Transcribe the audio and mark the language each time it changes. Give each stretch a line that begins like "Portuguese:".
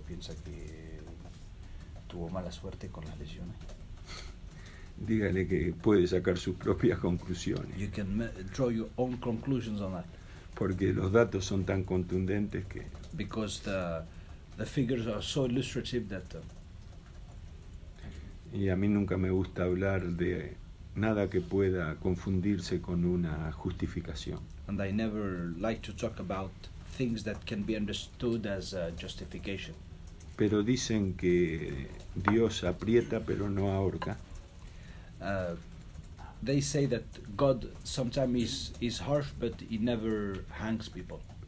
Spanish: Piensa que tuvo mala suerte con las lesiones. Dígale que puede sacar sus propias conclusiones.
English: You can draw your own conclusions on that.
Spanish: Porque los datos son tan contundentes que.
English: Because the figures are so illustrative that.
Spanish: Y a mí nunca me gusta hablar de nada que pueda confundirse con una justificación.
English: And I never like to talk about things that can be understood as a justification.
Spanish: Pero dicen que Dios aprieta pero no ahorca.
English: They say that God sometimes is harsh, but he never hangs people.